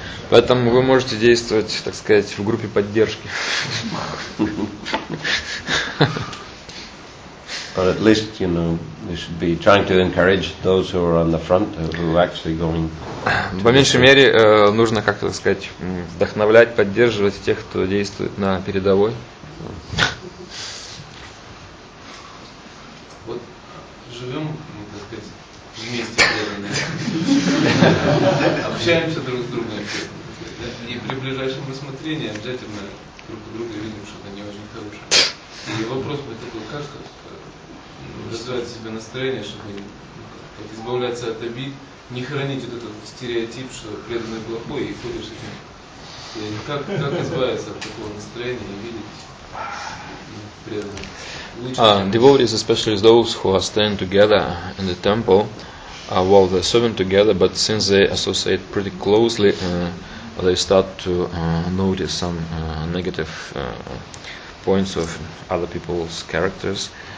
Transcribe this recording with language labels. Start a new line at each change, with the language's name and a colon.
Russian: Поэтому вы можете действовать, так сказать, в группе поддержки.
English: But at least, you know, we should be trying to encourage those who are on the front, who are actually going.
Russian: По меньшей мере, нужно как-то, так сказать, вдохновлять, поддерживать тех, кто действует на передовой. Вот живем, так сказать, вместе, общаемся друг с другом. И при ближайшем рассмотрении обязательно друг у друга видим, что это не очень хорошее. И вопрос бы такой, как что развивать в себе настроение, чтобы как избавляться от обид, не хранить вот этот стереотип, что преданный плохой и ходишь этим. Как избавиться от такого настроения и видеть преданного?
English: Devotees, especially those who are staying together in the temple, while they're serving together, but since they associate pretty closely, they start to notice some negative points of other people's characters.